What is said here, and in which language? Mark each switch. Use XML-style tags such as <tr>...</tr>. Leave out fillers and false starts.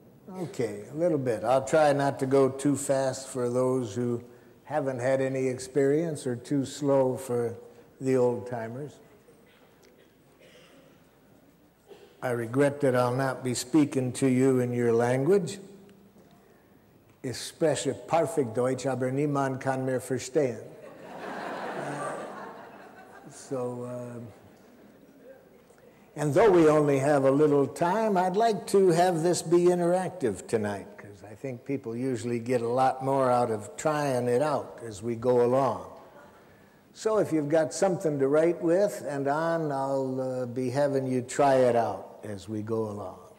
<en>Okay, a little bit. I'll try not to go too fast for those who haven't had any experience or too slow for the old timers. I regret that I'll not be speaking to you in your language. Especially perfect</en> <de>Deutsch, aber niemand kann mir verstehen.</de> <en>And though we only have a little time, I'd like to have this be interactive tonight, because I think people usually get a lot more out of trying it out as we go along. So if you've got something to write with and on, I'll be having you try it out as we go along.</en>